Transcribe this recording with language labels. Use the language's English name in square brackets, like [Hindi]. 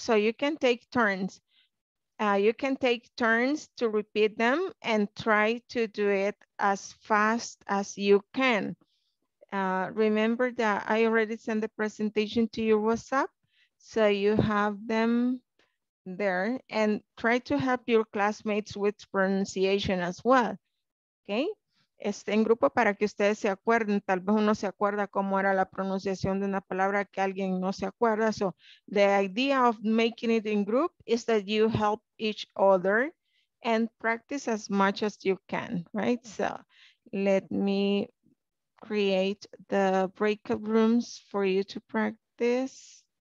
[English] So you can take turns. You can take turns to repeat them and try to do it as fast as you can. Remember that I already sent the presentation to your WhatsApp. So you have them there, and try to help your classmates with pronunciation as well. Okay. [Spanish] Este en grupo para que ustedes se acuerden. Tal vez uno se acuerda cómo era la pronunciación de una palabra que alguien no se acuerda. [English] So the idea of making it in group is that you help each other and practice as much as you can, right? So let me create the breakout rooms for you to practice.